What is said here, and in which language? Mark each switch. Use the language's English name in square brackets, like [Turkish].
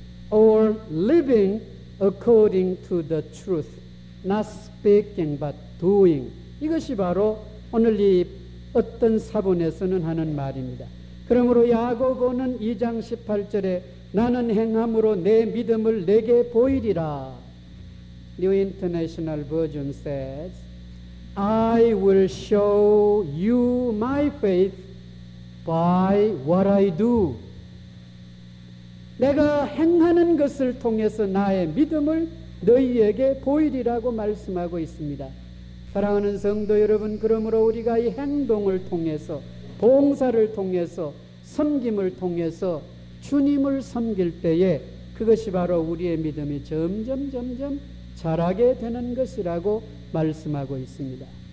[English] or living according to the truth Not speaking but doing [Korean] 이것이 바로 오늘 이 어떤 사본에서는 하는 말입니다. 그러므로 야고보는 2장 18절에 나는 행함으로 내 믿음을 내게 보이리라. [English] New International Version says, I will show you my faith by what I do. [Korean] 내가 행하는 것을 통해서 나의 믿음을 너희에게 보이리라고 말씀하고 있습니다. 사랑하는 성도 여러분, 그러므로 우리가 이 행동을 통해서 봉사를 통해서 섬김을 통해서 주님을 섬길 때에 그것이 바로 우리의 믿음이 점점 자라게 되는 것이라고 말씀하고 있습니다.